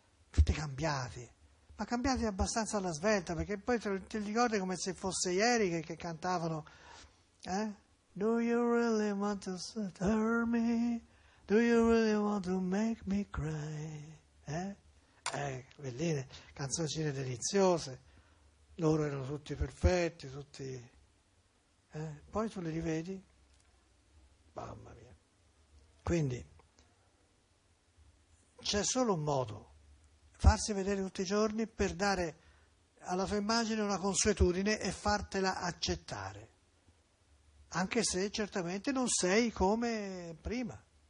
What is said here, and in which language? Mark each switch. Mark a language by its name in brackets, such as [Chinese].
[Italian] Tutti cambiati, ma cambiati abbastanza alla svelta, perché poi ti ricordi come se fosse ieri che cantavano, eh? [English] Do you really want to hurt me? Do you really want to make me cry? [Italian] Belline, canzoncine deliziose, loro erano tutti perfetti, tutti, eh? Poi tu li rivedi, mamma mia. Quindi c'è solo un modo: farsi vedere tutti i giorni per dare alla tua immagine una consuetudine e fartela accettare, anche se certamente non sei come prima.